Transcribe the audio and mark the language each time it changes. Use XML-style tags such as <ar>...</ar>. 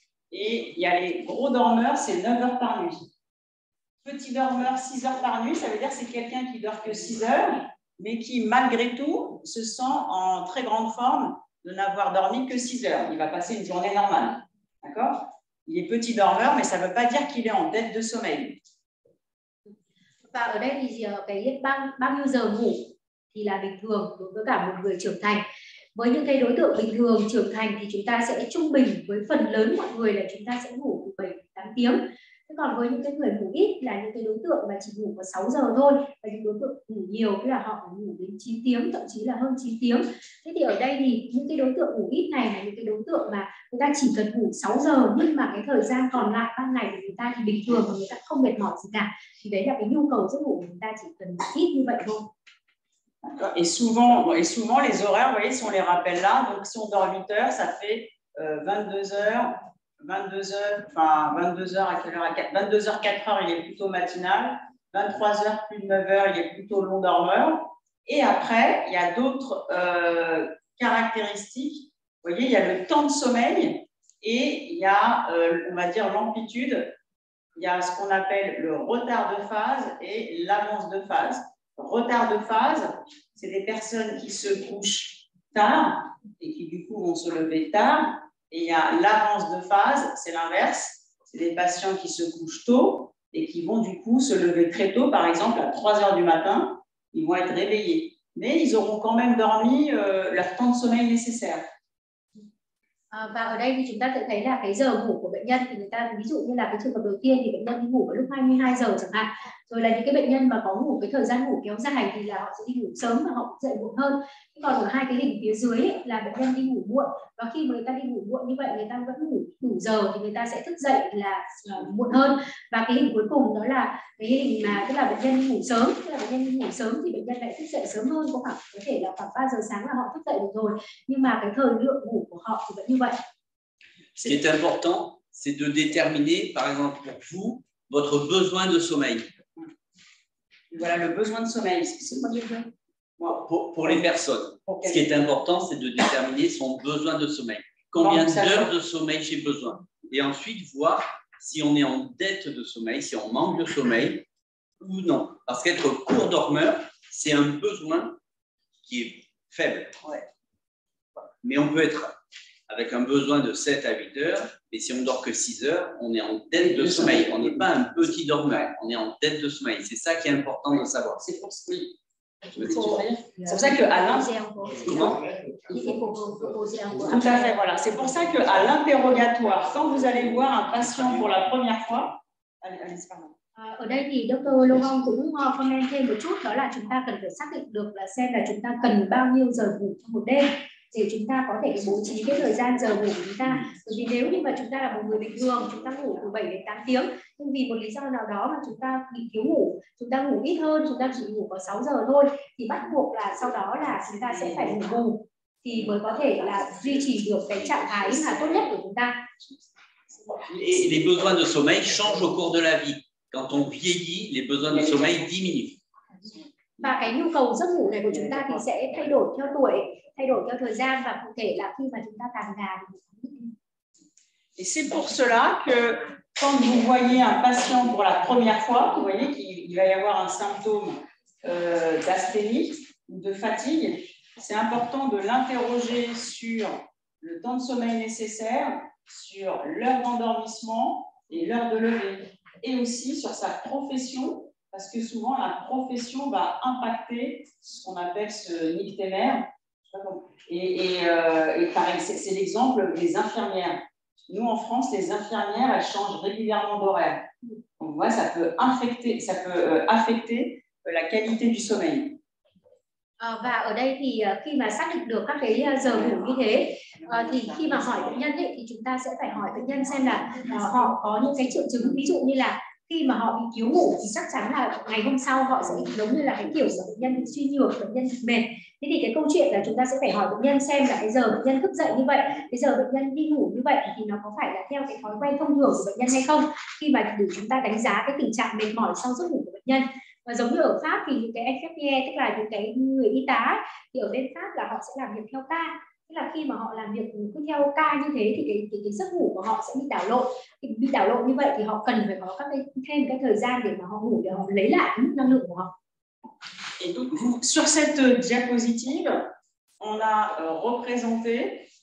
<fr>Et il y a les gros dormeurs, c'est 9 heures par nuit. Petit dormeur, 6 heures par nuit, ça veut dire que c'est quelqu'un qui dort que 6 heures, mais qui, malgré tout, se sent en très grande forme de n'avoir dormi que 6 heures. Il va passer une journée normale. D'accord ? Il est petit dormeur, mais ça ne veut pas dire qu'il est en dette de sommeil.</fr> <vi>Và ở đây thì cái bao nhiêu giờ ngủ thì là bình thường đối với cả một người trưởng thành. Với những cái đối tượng bình thường trưởng thành thì chúng ta sẽ trung bình với phần lớn mọi người là chúng ta sẽ ngủ 7-8 tiếng. Thế còn với những cái người ngủ ít là những cái đối tượng mà chỉ ngủ có 6 giờ thôi. Và những đối tượng ngủ nhiều thì là họ ngủ đến 9 tiếng, thậm chí là hơn 9 tiếng. Thế thì ở đây thì những cái đối tượng ngủ ít này là những cái đối tượng mà chúng ta chỉ cần ngủ 6 giờ nhưng mà cái thời gian còn lại ban ngày của chúng ta thì bình thường và người ta không mệt mỏi gì cả. Thì đấy là cái nhu cầu giấc ngủ của chúng ta chỉ cần ít như vậy thôi.</vi> <fr>Et souvent, les horaires, vous voyez, si on les rappelle là, donc si on dort 8 heures, ça fait 22h, 4 heures, il est plutôt matinal, 23 heures, plus de 9 heures, il est plutôt long dormeur. Et après, il y a d'autres caractéristiques, vous voyez, il y a le temps de sommeil et il y a, on va dire, l'amplitude, il y a ce qu'on appelle le retard de phase et l'avance de phase. Retard de phase, c'est des personnes qui se couchent tard et qui du coup vont se lever tard. Et il y a l'avance de phase, c'est l'inverse. C'est des patients qui se couchent tôt et qui vont du coup se lever très tôt. Par exemple, à 3 heures du matin, ils vont être réveillés. Mais ils auront quand même dormi leur temps de sommeil nécessaire.</fr> <vi>Và ở đây thì chúng ta sẽ thấy là cái giờ ngủ của bệnh nhân thì người ta ví dụ như là cái trường hợp đầu tiên thì bệnh nhân đi ngủ vào lúc 22 giờ chẳng hạn. Rồi là những cái bệnh nhân mà có ngủ cái thời gian ngủ kéo dài thì là họ sẽ đi ngủ sớm và họ cũng dậy muộn hơn. Còn ở hai cái đỉnh phía dưới ấy, là bệnh nhân đi ngủ muộn và khi mà người ta đi ngủ muộn như vậy người ta vẫn ngủ đủ giờ thì người ta sẽ thức dậy là muộn hơn. Và cái hình cuối cùng đó là cái hình mà tức là bệnh nhân ngủ sớm, tức là bệnh nhân ngủ sớm thì bệnh nhân lại thức dậy sớm hơn, có thể là khoảng 3 giờ sáng là họ thức dậy được rồi, nhưng mà cái thời lượng ngủ của họ thì vẫn như vậy.</vi> <fr>Ce qui est important, c'est de déterminer par exemple pour vous votre besoin de sommeil. Voilà le besoin de sommeil, c'est quoi déjà? Pour les personnes, okay. Ce qui est important, c'est de déterminer son besoin de sommeil. Combien d'heures de sommeil j'ai besoin? Et ensuite, voir si on est en dette de sommeil, si on manque de sommeil ou non. Parce qu'être court dormeur, c'est un besoin qui est faible. Ouais. Mais on peut être avec un besoin de 7 à 8 heures, mais si on dort que 6 heures, on est en dette de sommeil. On n'est pas un petit dormeur, on est en dette de sommeil. C'est ça qui est important de savoir. C'est pour ça. C'est pour ça que Alain. Tout à fait, voilà. C'est pour ça que à l'interrogatoire, quand vous allez voir un patient pour la première fois,</fr> <vi>ở đây thì Dr. Lohong cũng comment thêm một chút, đó là chúng ta cần phải xác định được là xem là chúng ta cần bao nhiêu giờ ngủ trong một đêm để chúng ta có thể bố trí cái thời gian giờ ngủ của chúng ta. Bởi vì nếu như mà chúng ta là một người bình thường, chúng ta ngủ từ 7 đến 8 tiếng, nhưng vì một lý do nào đó mà chúng ta bị thiếu ngủ, chúng ta ngủ ít hơn, chúng ta chỉ ngủ có 6 giờ thôi, thì bắt buộc là sau đó là chúng ta sẽ phải ngủ bù thì mới có thể là duy trì được cái trạng thái là tốt nhất của chúng ta.</vi> <fr>Les besoins de sommeil changent au cours de la vie. Quand on vieillit, les besoins de sommeil diminuent.</fr> <vi>Và cái nhu cầu giấc ngủ này của chúng ta thì sẽ thay đổi theo tuổi, thay đổi theo thời gian và cụ thể là khi mà chúng ta càng già thì</vi> <fr>Et c'est pour cela que quand vous voyez un patient pour la première fois, vous voyez qu'il va y avoir un symptôme d'asthénie ou de fatigue, c'est important de l'interroger sur le temps de sommeil nécessaire sur l'heure d'endormissement et l'heure de lever, et aussi sur sa profession, parce que souvent la profession va impacter ce qu'on appelle ce nyctémère. Et pareil, c'est l'exemple des infirmières. Nous, en France, les infirmières, elles changent régulièrement d'horaire. Donc, voilà, ça peut affecter, la qualité du sommeil.</fr> <vi>Và ở đây thì khi mà xác định được các cái giờ ngủ như thế thì khi mà hỏi bệnh nhân ấy, thì chúng ta sẽ phải hỏi bệnh nhân xem là họ có những cái triệu chứng, ví dụ như là khi mà họ bị thiếu ngủ thì chắc chắn là ngày hôm sau họ sẽ giống như là cái kiểu của bệnh nhân bị suy nhược, bệnh nhân bị mệt. Thế thì cái câu chuyện là chúng ta sẽ phải hỏi bệnh nhân xem là cái giờ bệnh nhân thức dậy như vậy, cái giờ bệnh nhân đi ngủ như vậy thì nó có phải là theo cái thói quen thông thường của bệnh nhân hay không, khi mà để chúng ta đánh giá cái tình trạng mệt mỏi sau giấc ngủ của bệnh nhân. Và giống như ở Pháp thì những cái FFPE, tức là những cái người y tá thì ở bên Pháp là họ sẽ làm việc theo ca. Tức là khi mà họ làm việc cứ theo ca như thế thì cái giấc ngủ của họ sẽ bị đảo lộn. Thì bị đảo lộn như vậy thì họ cần phải có các cái, thêm cái thời gian để mà họ ngủ, để họ lấy lại mức năng lượng của họ.</vi> <fr>Et donc, sur cette diapositive, on a représenté...</fr>